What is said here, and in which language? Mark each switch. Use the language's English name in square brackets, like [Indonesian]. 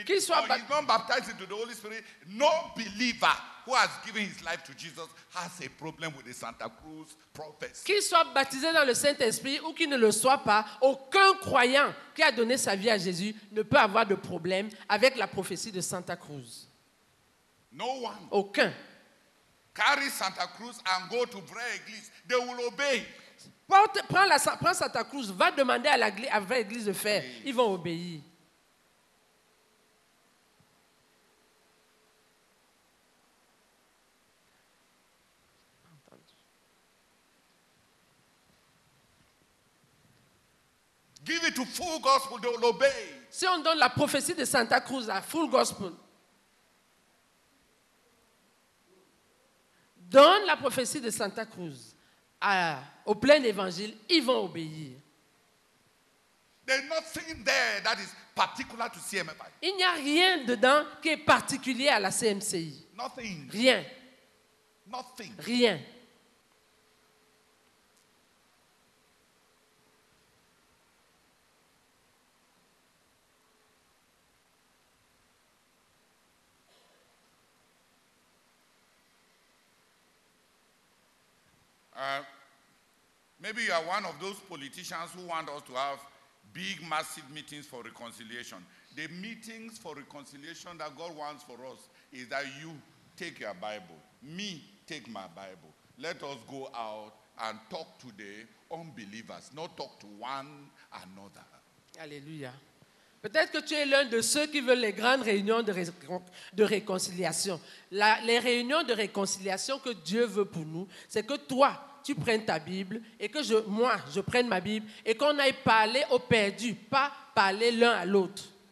[English] Whether he's not baptized into the Holy Spirit, no believer who has given his life to Jesus has a problem with the Santa Cruz prophecy. [French] Qu'il soit baptisé dans le Saint-Esprit ou qu'il ne le soit pas, aucun croyant qui a donné sa vie à Jésus ne peut avoir de problème avec la prophétie de Santa Cruz. [English] No one. [French] Aucun. [English] Carry Santa Cruz and go to vraie église. They will obey. [French] Prends Santa Cruz, va demander à la vraie église de faire. Ils vont obéir. [English] Give it to full gospel, they will obey. [French] Si on donne la prophétie de Santa Cruz à full gospel, donne la prophétie de Santa Cruz au plein évangile, ils vont obéir. [English] There's nothing there that is particular to CMFI. [French] Il n'y a rien dedans qui est particulier à la CMCI. [English] Nothing. [French] Rien. [English] Nothing. [French] Rien. [English] Maybe you are one of those politicians who want us to have big, massive meetings for reconciliation. The meetings for reconciliation that God wants for us is that you take your Bible, me take my Bible. Let us go out and talk to the unbelievers, not talk to one another. [French] Alléluia. Peut-être que tu es l'un de ceux qui veulent les grandes réunions de réconciliation. Les réunions de réconciliation que Dieu veut pour nous, c'est que toi, tu prennes ta Bible et que je prenne ma Bible et qu'on aille parler aux perdus, pas parler l'un à l'autre.